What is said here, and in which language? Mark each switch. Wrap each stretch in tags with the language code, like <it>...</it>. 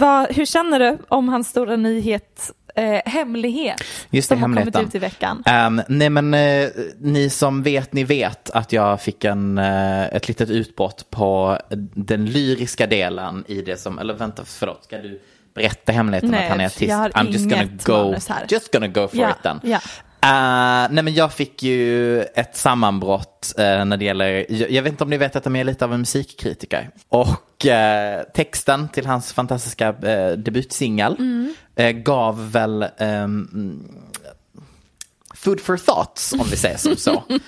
<sv>Hur känner du om hans stora nyhet, hemlighet? Just det, som hemligheten. Har kommit ut i veckan. Nej, men ni som vet, ni vet att jag fick ett litet utbrott på den lyriska delen i det som... Eller vänta, förlåt, ska du berätta hemligheten? Nej, att han är artist? Jag har</sv> <en>I'm just gonna go, just gonna go for it then.</en> <sv>Ja. Nej, men jag fick ju ett sammanbrott när det gäller... Jag vet inte om ni vet att jag är lite av en musikkritiker. Och texten till hans fantastiska debutsingel gav väl</sv> <en>food for thoughts,</en> <sv>om vi säger som så.</sv>